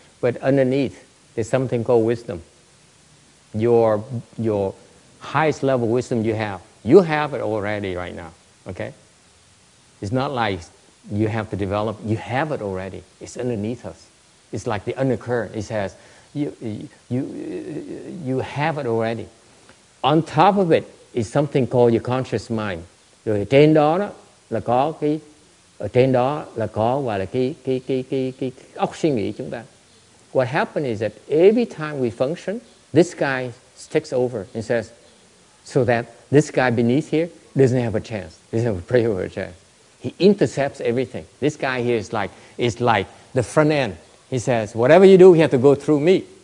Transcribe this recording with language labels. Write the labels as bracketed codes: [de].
[en] But underneath, there's something called wisdom. Your highest level wisdom you have it already right now, okay? It's not like you have to develop. You have it already. It's underneath us. It's like the undercurrent. It says, you have it already. On top of it is something called your conscious mind. [vi] Rồi trên đó là có cái, ở trên đó là có và là cái óc suy nghĩ chúng ta. [en] What happened is that every time we function, this guy takes over and says, so that this guy beneath here doesn't have a chance, doesn't have a prayer or a chance. He intercepts everything. This guy here is like the front end. He says, whatever you do, you have to go through me.